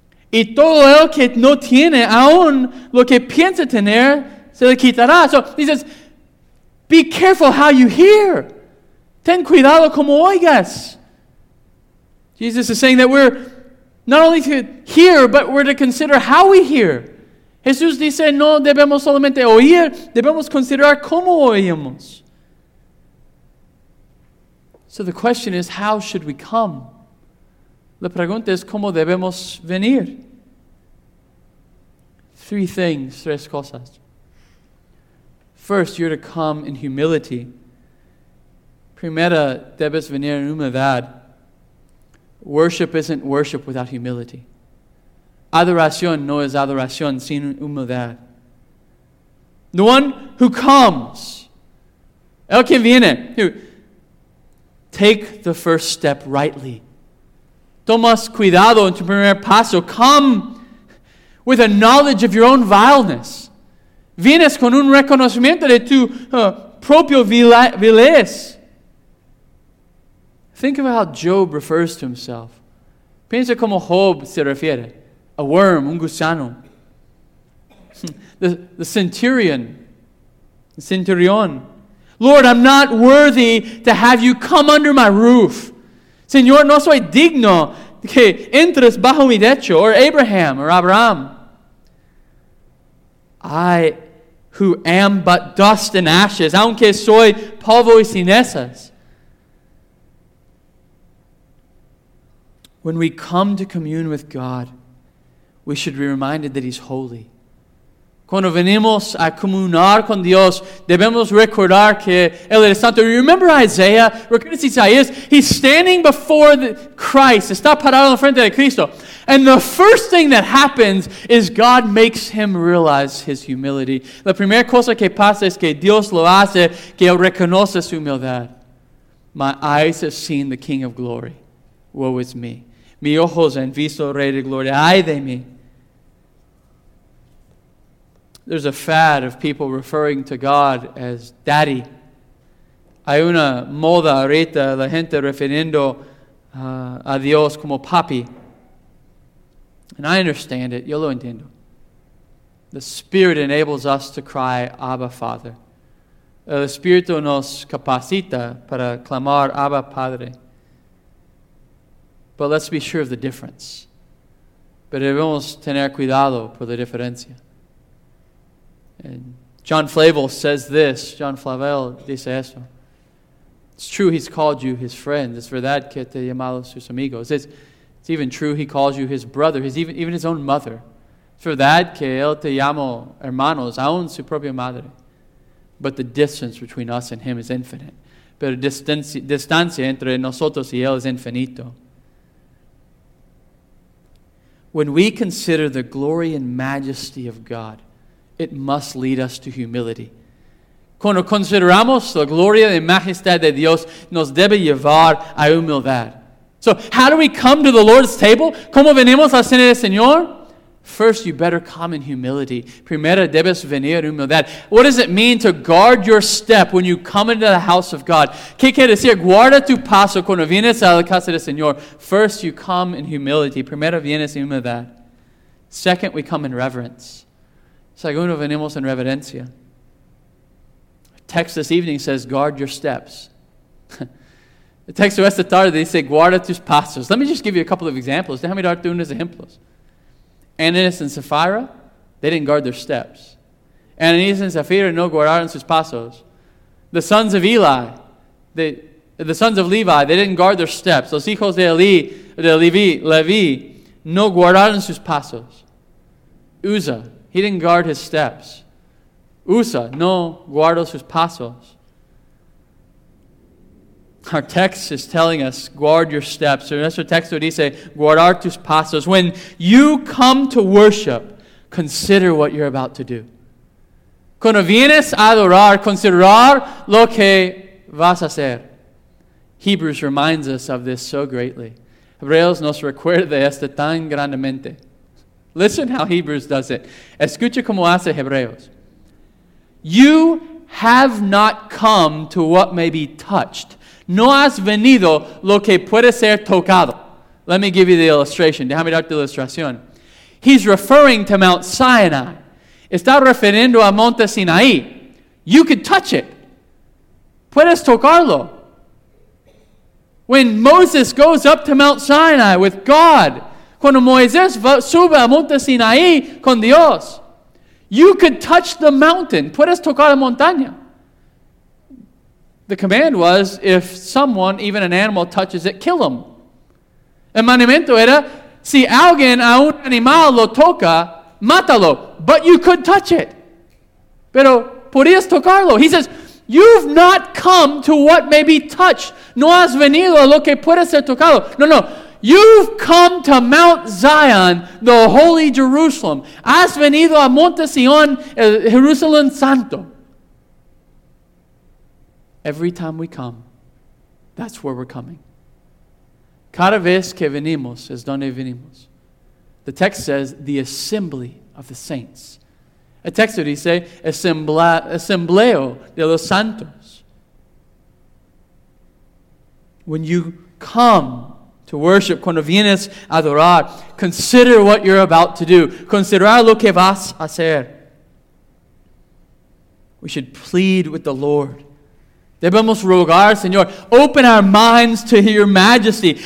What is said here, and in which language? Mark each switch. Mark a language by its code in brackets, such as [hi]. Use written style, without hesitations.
[es] Y todo el que no tiene, aún lo que piensa tener, se le quitará. [en] So he says, be careful how you hear. [es] Ten cuidado como oigas. [en] Jesus is saying that we're not only to hear, but we're to consider how we hear. [es] Jesús dice, no debemos solamente oír, debemos considerar cómo oímos. [en] So the question is, how should we come? [es] La pregunta es, ¿cómo debemos venir? [en] Three things, [es] tres cosas. [en] First, you're to come in humility. [es] Primera, debes venir en humildad. [en] Worship isn't worship without humility. [es] Adoración no es adoración sin humildad. [en] The one who comes, [es] el que viene, [en] Take the first step rightly. [es] Tomas cuidado en tu primer paso. [en] Come with a knowledge of your own vileness. [es] Vienes con un reconocimiento de tu propio vileza. [en] Think of how Job refers to himself. [es] Piensa como Job se refiere. [en] A worm, [es] un gusano. [en] The centurion. The centurion. Lord, I'm not worthy to have you come under my roof. [es] Señor, no soy digno que entres bajo mi techo. [en] Or Abraham, or Abraham. I who am but dust and ashes, [es] aunque soy polvo y cenizas. [en] When we come to commune with God, we should be reminded that He's holy. [es] Cuando venimos a comunar con Dios, debemos recordar que Él es santo. [en] Remember Isaiah? [es] Recuerdas Isaías? [en] He's standing before Christ. [es] Está parado en frente de Cristo. [en] And the first thing that happens is God makes him realize his humility. [es] La primera cosa que pasa es que Dios lo hace, que Él reconoce su humildad. [en] My eyes have seen the King of Glory. Woe is me. [es] Mi ojos han visto el Rey de Gloria. Ay de mí. [en] There's a fad of people referring to God as Daddy. [es] Hay una moda ahorita, la gente refiriendo a Dios como Papi. [en] And I understand it. [es] Yo lo entiendo. [en] The Spirit enables us to cry, Abba, Father. [es] El Espíritu nos capacita para clamar, Abba, Padre. [en] But let's be sure of the difference. [es] Pero debemos tener cuidado por la diferencia. [en] And John Flavel says this. John Flavel [es] dice esto. [en] It's true he's called you his friend. [es] Es verdad que te llamado sus amigos. [en] It's even true he calls you his brother. Even his own mother. [es] Es verdad que él te llamó hermanos. Aún su propia madre. [en] But the distance between us and him is infinite. [es] Pero distancia entre nosotros y él es infinito. [en] When we consider the glory and majesty of God, it must lead us to humility. [es] Cuando consideramos la gloria y majestad de Dios, nos debe llevar a humildad. [en] So, how do we come to the Lord's table? [es] ¿Cómo venimos a cenar del Señor? [en] First, you better come in humility. [es] Primero, debes venir en humildad. [en] What does it mean to guard your step when you come into the house of God? [es] ¿Qué quiere decir? Guarda tu paso cuando vienes a la casa del Señor. [en] First, you come in humility. [es] Primero, vienes en humildad. [en] Second, we come in reverence. [es] Segundo, venimos en reverencia. [en] Text this evening says, guard your steps. The text of [es] esta tarde dice, guarda tus pasos. [en] Let me just give you a couple of examples. [es] Déjame darte unos ejemplos. [en] Ananias and Sapphira, they didn't guard their steps. [es] Ananias and Sapphira no guardaron sus pasos. [en] The sons of Eli, the sons of Levi, they didn't guard their steps. [es] Los hijos de Levi, no guardaron sus pasos. [en] Uzzah, he didn't guard his steps. [es] Uzzah, no guardó sus pasos. [en] Our text is telling us, guard your steps. [es] So nuestro texto dice, guardar tus pasos. [en] When you come to worship, consider what you're about to do. [es] Cuando vienes a adorar, considerar lo que vas a hacer. [en] Hebrews reminds us of this so greatly. [es] Hebreos nos recuerda esto tan grandemente. [en] Listen how Hebrews does it. [es] Escucha cómo hace Hebreos. [en] You have not come to what may be touched. [es] No has venido lo que puede ser tocado. [en] Let me give you the illustration. [es] Déjame darte la ilustración. [en] He's referring to Mount Sinai. [es] Está refiriendo a Monte Sinaí. [en] You could touch it. [es] Puedes tocarlo. [en] When Moses goes up to Mount Sinai with God, [es] cuando Moisés sube a Monte Sinaí con Dios, [en] you could touch the mountain. [es] Puedes tocar la montaña. [en] The command was, if someone, even an animal, touches it, kill them. [es] El mandamiento era, si alguien a un animal lo toca, mátalo. [en] But you could touch it. [es] Pero podías tocarlo. [en] He says, you've not come to what may be touched. [es] No has venido a lo que puede ser tocado. No. [en] You've come to Mount Zion, the holy Jerusalem. [es] Has venido a Monte Sion, Jerusalem Santo. [en] Every time we come, That's where we're coming. [es] Cada vez que venimos es donde venimos. [en] The text says the assembly of the saints. [es] El texto dice asambleo de los santos. [en] When you come to worship, [es] cuando vienes a adorar, [en] consider what you're about to do. [es] Considerar lo que vas a hacer. [en] We should plead with the Lord. [es] Debemos rogar, Señor. [en] Open our minds to your majesty.